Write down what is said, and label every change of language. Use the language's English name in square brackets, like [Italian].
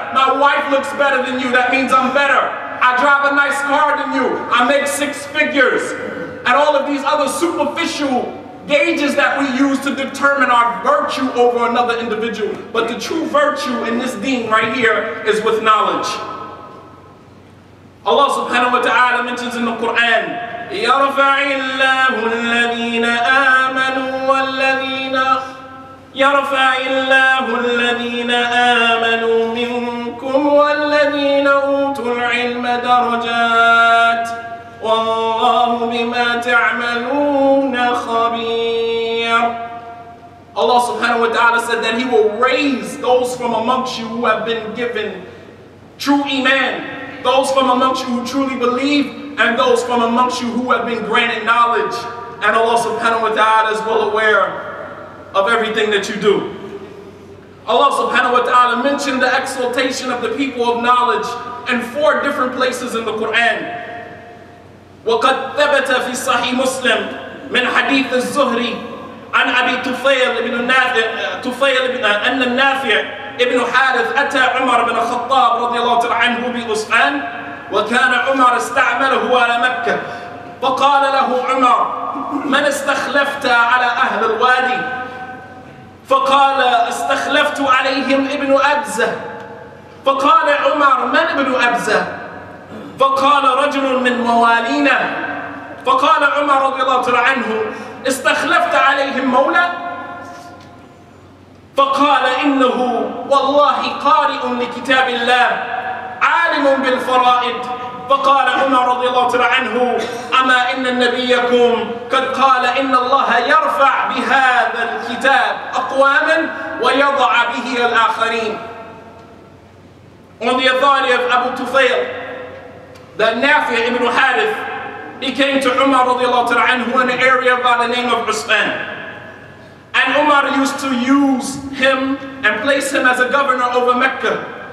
[English] My wife looks better than you, that means I'm better. I drive a nice car than you, I make six figures. And all of these other superficial gauges that we use to determine our virtue over another individual. But the true virtue in this deen right here is with knowledge. Allah subhanahu wa ta'ala mentions in the Quran, [Arabic] يرفع الله الذين آمنوا والذين يرفع الله الذين آمنوا منكم والذين أوتوا العلم درجات والله بما تعملون خبير. [English] Allah subhanahu wa ta'ala said that He will raise those from amongst you who have been given true iman, those from amongst you who truly believe, and those from amongst you who have been granted knowledge. And Allah subhanahu wa ta'ala is well aware of everything that you do. Allah subhanahu wa ta'ala mentioned the exaltation of the people of knowledge in four different places in the Quran. [Arabic] وَقَدْ ثَبَتَ فِي صَحِيْ مُسْلِمْ مِنْ حَدِيثِ الزُّهْرِي عن أبي طفيل بن نافع طفيل بن أن النافع ابن حارث أتى عمر بن الخطاب رضي الله تعالى عنه بأسعان وكان عمر استعمله على مكة فقال له عمر من استخلفت على أهل الوادي فقال استخلفت عليهم ابن أبزة فقال عمر من ابن أبزة فقال رجل من موالينا فقال عمر رضي الله تعالى عنه استخلفت عليهم مولى فقال إنه والله قارئ لكتاب الله عالم بالفرائد فقال عمر رضي الله تعالى عنه أما إن نبيكم قد قال إن الله يرفع بهذا الكتاب أقواما ويضع به الآخرين. [English] On the authority of Abu Tufail, that Nafi ibn Harith, he came to Umar radiallahu ta'ala anhu in an area by the name of Usman. And Umar used to use him and place him as a governor over Mecca.